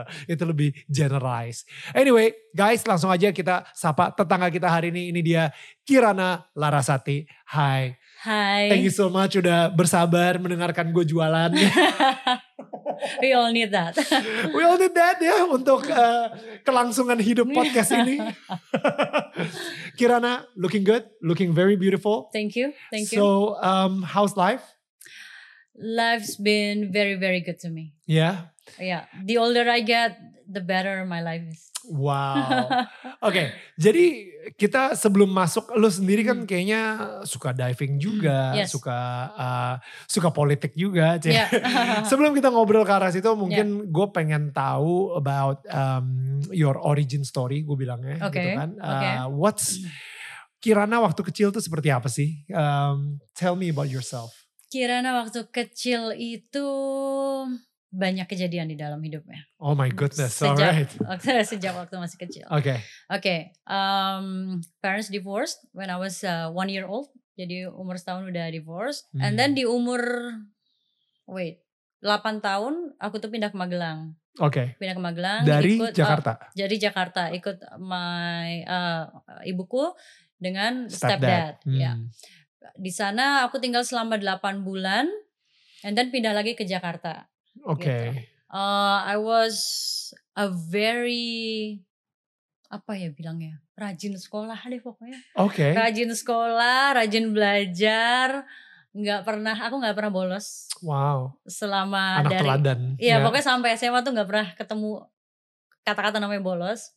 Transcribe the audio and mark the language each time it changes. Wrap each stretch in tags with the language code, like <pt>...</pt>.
<id>Itu lebih generalized.</id> <en>Anyway, guys,</en> <id>langsung aja kita sapa tetangga kita hari ini. Ini dia Kirana Larasati. Hai. Hai.</id> <en>Thank you so much</en> <id>udah bersabar mendengarkan gue jualan.</id> <en>We all need that. We all need that</en> <id>ya untuk kelangsungan hidup podcast ini.</id> <en>Kirana, looking good. Looking very beautiful. Thank you. So, how's life? Life's been very, very good to me. Yeah? Yeah. The older I get, the better my life is. Wow. Okay.</en> <id>Jadi kita sebelum masuk, lu sendiri kan kayaknya suka diving juga.</id> <en>Yes.</en> <id>Suka politik juga.</id> <en>Yeah.</en> <id>Sebelum kita ngobrol ke arah situ, mungkin yeah. Gue pengen tahu</id> <en>about your origin story,</en> <id>gue bilangnya.</id> <en>Okay.</en> <id>Gitu kan.</id> <en>Okay. What's</en> <id>Kirana waktu kecil tuh seperti apa sih?</id> <en>Tell me about yourself.</en> <id>Kirana waktu kecil itu banyak kejadian di dalam hidupnya.</id> <en>Oh my goodness, alright.</en> <id>Sejak waktu masih kecil.</id> <en>Okay. Okay, parents divorced when I was 1 year old.</en> <id>Jadi umur setahun udah divorced. Hmm.</id> <en>And then</en> <id>di umur, 8 tahun aku tuh pindah ke Magelang.</id> <en>Okay.</en> <id>Pindah ke Magelang. Dari ikut, Jakarta? Dari Jakarta, ikut my ibuku dengan stepdad.</id> <en>Yeah.</en> <id>Di sana aku tinggal selama 8 bulan</id> <en>and then</en> <id>pindah lagi ke Jakarta. Oke.</id> <en>Okay.</en> <id>Gitu.</id> <en>I was a very</en> <id>apa ya bilangnya? Rajin sekolah deh pokoknya. Oke. Okay. Rajin sekolah, rajin belajar, aku enggak pernah bolos.</id> <en>Wow.</en> <id>Selama anak dari anak teladan. Iya, yeah. Pokoknya sampai SMA tuh enggak pernah ketemu kata-kata namanya bolos.</id>